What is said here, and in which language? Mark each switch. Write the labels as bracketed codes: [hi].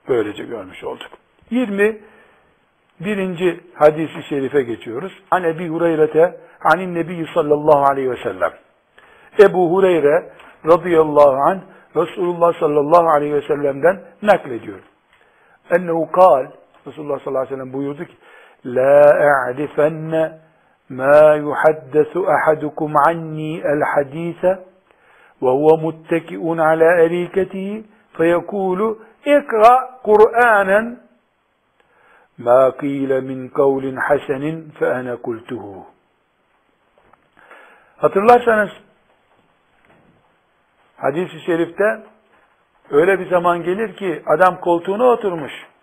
[tr] Böylece görmüş olduk. 21. hadisi şerife geçiyoruz. [ar] An Ebi Hureyre'te anin Nebiyyü sallallahu aleyhi ve sellem. [tr] Ebu Hureyre radıyallahu anh Resulullah sallallahu aleyhi ve sellem'den naklediyor. [ar] Ennehu kal, [tr] Resulullah sallallahu aleyhi ve sellem buyurdu ki [ar] la e'rifenne مَا يُحَدَّثُ أَحَدُكُمْ عَنِّي الْحَد۪يثَ وَهُوَ مُتَّكِئٌ عَلَى اَر۪يكَتِهِ فَيَكُولُ اِقْرَى قُرْآنًا مَا قِيلَ مِنْ قَوْلٍ حَسَنٍ فَأَنَا قُلْتُهُ. [tr] Hatırlarsanız hadis-i şerifte öyle bir zaman gelir ki adam koltuğuna oturmuş.